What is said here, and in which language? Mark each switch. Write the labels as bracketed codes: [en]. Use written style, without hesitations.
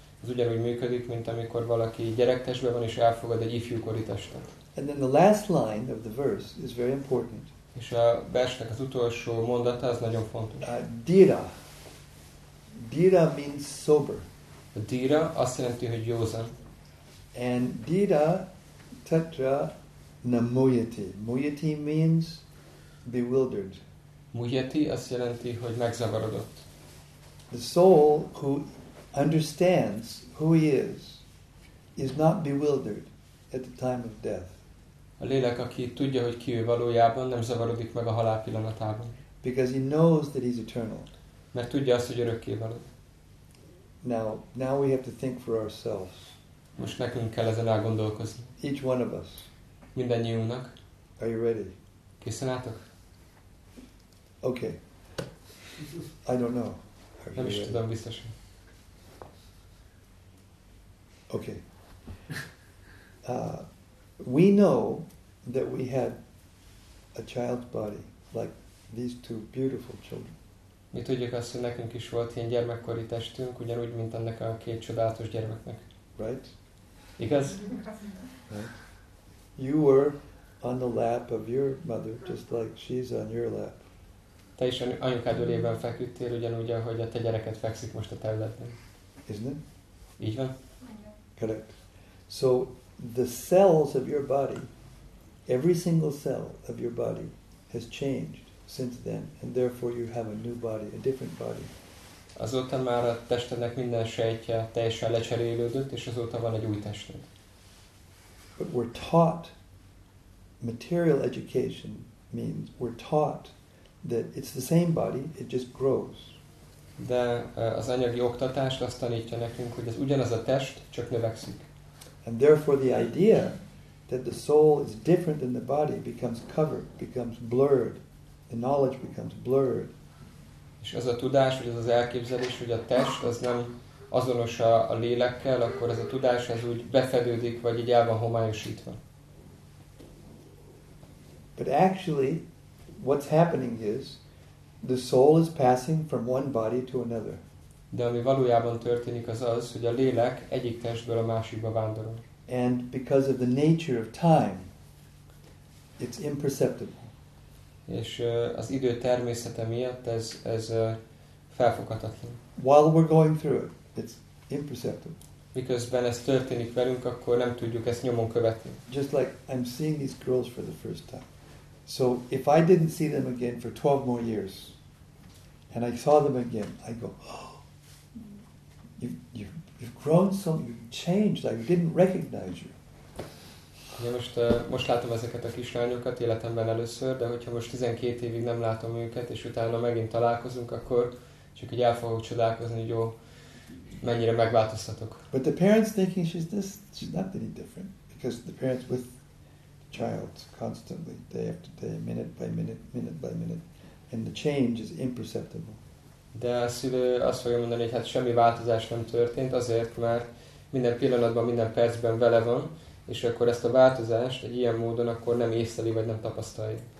[hu] Ez ugyanúgy működik, mint amikor valaki gyerektestben van, és elfogad egy ifjúkori testet. [en] And then the last line of the verse is very important. [hu] És a versnek az utolsó mondata, az nagyon fontos. [en] Dira. Dira means sober. [hu] A dira azt jelenti, hogy józan. [sa] And dira tatra namuyati. [en] Muyati means bewildered. [hu] Muhyati azt jelenti, hogy megzavarodott. [en] The soul who understands who he is not bewildered at the time of death. [hu] A lélek, aki tudja, hogy ki ő valójában, nem zavarodik meg a halál pillanatában. [en] Because he knows that he's eternal. [hu] Mert tudja azt, hogy örökké való. [en] Now we have to think for ourselves. [hu] Most nekünk kell ezen elgondolkozni. [en] Each one of us. [hu] Mindannyiunknak. [en] Are you ready? [hu] Készen álltok? [en] Okay. I don't know. [hu] Nem is tudom biztosan. [en] Okay. We know that we had a child's body like these two beautiful children. [hu] Mi tudjuk azt, hogy nekünk is volt ilyen gyermekkori testünk, ugyanúgy, mint annak a két csodálatos gyermeknek. [en] Right? [hu] Igaz? [en] You were on the lap of your mother just like she's on your lap. [hu] Te is anyukád ölében feküdtél, ugyanúgy, ahogy a te gyereked fekszik most a területen. [en] Isn't it? [hu] Így van? [en] Correct. So the cells of your body, every single cell of your body has changed since then, and therefore you have a new body, a different body. [hu] Azóta már a testednek minden sejtje teljesen lecserélődött, és azóta van egy új tested. [en] But we're taught, material education means we're taught that it's the same body, it just grows. [hu] De az anyagi oktatás azt tanítja nekünk, hogy ez ugyanaz a test, csak növekszik. [en] And therefore the idea that the soul is different than the body becomes covered, becomes blurred, the knowledge becomes blurred. [hu] És az a tudás, vagy az az elképzelés, hogy a test az nem azonos a lélekkel, akkor ez a tudás ez úgy befedődik, vagy így el van homályosítva. [en] But actually, what's happening is, the soul is passing from one body to another. [hu] De ami valójában történik az az, hogy a lélek egyik testből a másikba vándorol. [en] And because of the nature of time, it's imperceptible. [hu] És az idő természete miatt ez felfoghatatlan. [en] While we're going through it, it's imperceptible. [hu] Miközben ez történik velünk, akkor nem tudjuk ezt nyomon követni. [en] Just like I'm seeing these girls for the first time. So if I didn't see them again for 12 more years, and I saw them again, I go, oh, you've grown so, you've changed, I didn't recognize you. [hu] Ja, most látom ezeket a kislányokat életemben először, de hogyha most 12 évig nem látom őket, és utána megint találkozunk, akkor csak így el fogok csodálkozni, hogy jó, mennyire megváltoztatok. [en] But the parents thinking she's not any different, because the parents with the child constantly, day after day, minute by minute, minute by minute, and the change is imperceptible. [hu] De a szülő azt fogja mondani, hogy hát semmi változás nem történt, azért, mert minden pillanatban, minden percben vele van, és akkor ezt a változást egy ilyen módon akkor nem észleli, vagy nem tapasztalja.